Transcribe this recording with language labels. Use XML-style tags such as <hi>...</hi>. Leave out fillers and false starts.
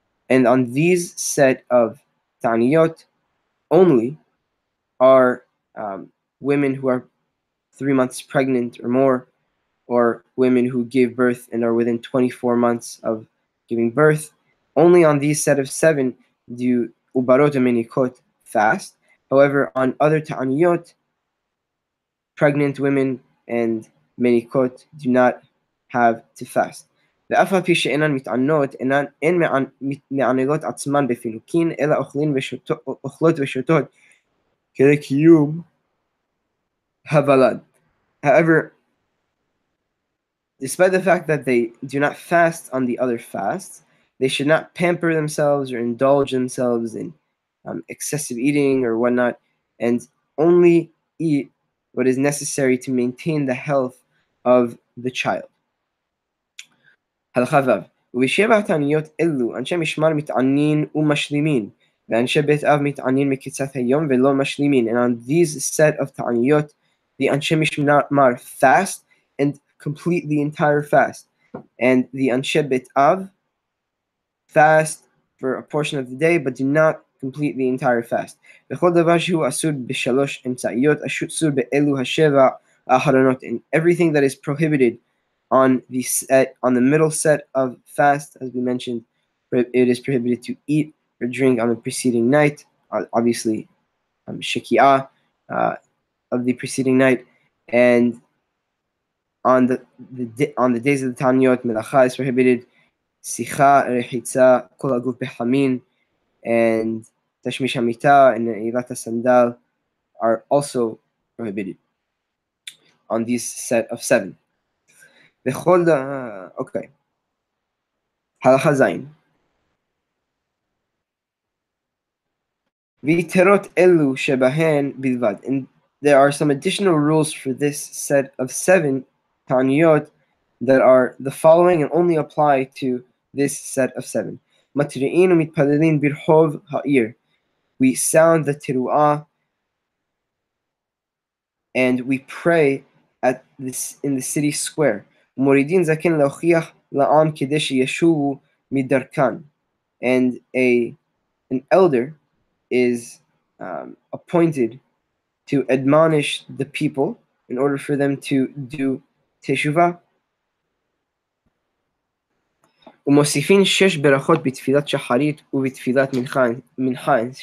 <en>And on these set of ta'aniyot only are women who are 3 months pregnant or more, or women who gave birth and are within 24 months of giving birth. Only on these set of seven do ubarot menikot fast. However, on other ta'aniyot, pregnant women and menikot do not have to fast.</en> <he>ואף על פי שאינן מתענות, אין מענגות עצמן בפינוקין, אלא אוכלות ושותות כדי קיום הוולד.</he> <en>However, despite the fact that they do not fast on the other fasts, they should not pamper themselves or indulge themselves in excessive eating or whatnot, and only eat what is necessary to maintain the health of the child.</en> <he>הלכה ו. ובשבע תעניות אלו, אנשי משמר מתענין ומשלימין, ואנשי בית אב מתענין מקיצת היום ולא משלימין.</he> <en>And on these set of תעניות, the אנשי משמר fast and complete the entire fast. And the אנשי בית אב fast for a portion of the day, but do not complete the entire fast.</en> <he>וכל דבר שהוא אסור בשלוש אמצעיות, אסור באלו השבע האחרונות.</he> <en>And everything that is prohibited on the set, on the middle set of fast, as we mentioned, it is prohibited to eat or drink on the preceding night, obviously, shekiah of the preceding night, and on the days of the taniyot, melacha is prohibited, sicha, rechitza,</en> <he>kol aguf bechamin,</he> <en>and</en> <he>tashmish hamita</he> <en>and eilat sandal are also prohibited on this set of seven.</en> <he>בכל דבר, אוקיי, הלכה זין. ויתרות אלו שבהן בלבד.</he> <en>And there are some additional rules for this set of seven תעניות that are the following and only apply to this set of seven.</en> <he>מתריעין ומתפללין ברחוב העיר.</he> <en>We sound the תרועה and we pray at this in the city square.</en> <he>מורידין זקן להוכיח לעם כדי שישובו מדרכן.</he> <en>And an elder is appointed to admonish the people in order for them to do teshuva.</en> <he>ומוסיפין שש ברכות בתפילת שחרית ובתפילת מנחה.</he>